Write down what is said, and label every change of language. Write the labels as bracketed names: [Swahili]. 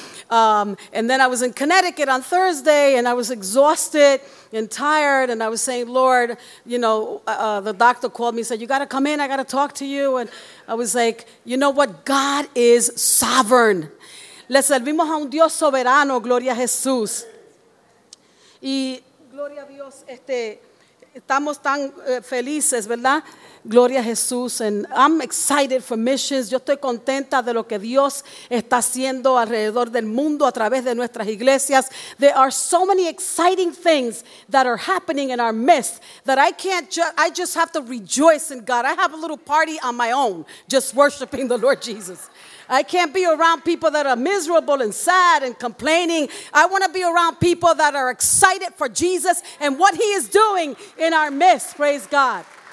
[English] And then I was in Connecticut on Thursday, and I was exhausted and tired, and I was saying, Lord, you know, the doctor called me and said, you got to come in, I got to talk to you, and I was like, you know what, God is sovereign. [Spanish] Le servimos a un Dios soberano, gloria a Jesús. Y, gloria a Dios, estamos tan felices, ¿verdad? Gloria a Jesús, [English] and I'm excited for missions. [Spanish] Yo estoy contenta de lo que Dios está haciendo alrededor del mundo a través de nuestras iglesias. [English] There are so many exciting things that are happening in our midst that I just have to rejoice in God. I have a little party on my own just worshiping the Lord Jesus. I can't be around people that are miserable and sad and complaining. I want to be around people that are excited for Jesus and what he is doing in our midst. Praise God.